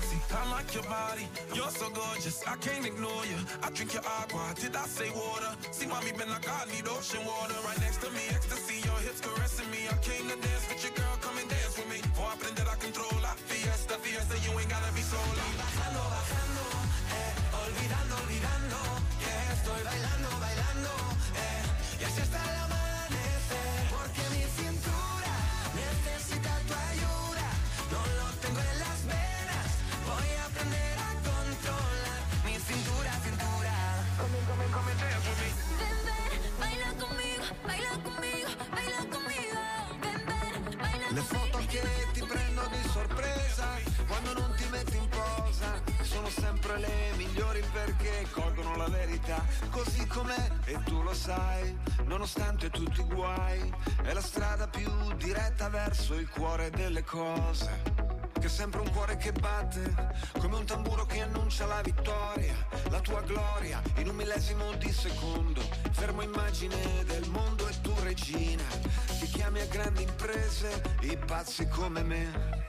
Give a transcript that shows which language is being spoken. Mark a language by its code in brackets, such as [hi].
[en] I like your body, you're so gorgeous, I can't ignore you. I drink your agua, did I say water? See, mommy been like, I need ocean water. Right next to me, ecstasy, your hips caressing me. I came to dance with your girl, come and dance with me. For I [es] aprender a controlar, fiesta, fiesta, [en] you ain't gotta be [es] sola. Y bajando, bajando, olvidando, olvidando, que estoy bailando, bailando, y así está el amanecer. Porque mi cintura necesita tu ayuda, no lo tengo en las venas. Voy a aprender a controlar mi cintura, cintura. [en] Come, come, come, dance with me. [es] Ven, ven, baila conmigo, baila conmigo, baila conmigo. Ven, ven, baila [it] Le [es] conmigo. [it] Le foto che ti prendo di sorpresa, quando non ti metti in posa. Sono sempre le migliori perché colgono la verità così com'è e tu lo sai, nonostante tutti i guai, è la strada più diretta verso il cuore delle cose, che è sempre un cuore che batte come un tamburo che annuncia la vittoria, la tua gloria in un millesimo di secondo, fermo immagine del mondo e tu regina, ti chiami a grandi imprese i pazzi come me.